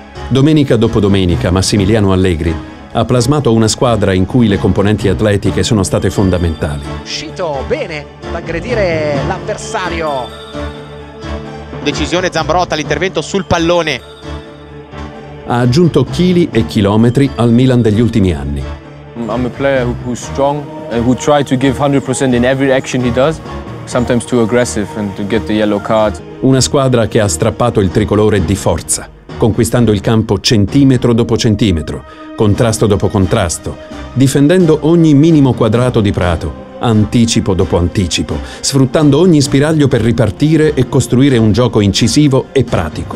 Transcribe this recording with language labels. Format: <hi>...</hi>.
<it>Domenica dopo domenica Massimiliano Allegri ha plasmato una squadra in cui le componenti atletiche sono state fondamentali. Uscito bene ad aggredire l'avversario. Decisione Zambrotta, l'intervento sul pallone. Ha aggiunto chili e chilometri al Milan degli ultimi anni.</it> <en>I'm a player who's strong and who try to give 100% in every action he does, sometimes too aggressive and to get the yellow card.</en> <it>Una squadra che ha strappato il tricolore di forza, conquistando il campo centimetro dopo centimetro, contrasto dopo contrasto, difendendo ogni minimo quadrato di prato, anticipo dopo anticipo, sfruttando ogni spiraglio per ripartire e costruire un gioco incisivo e pratico.</it>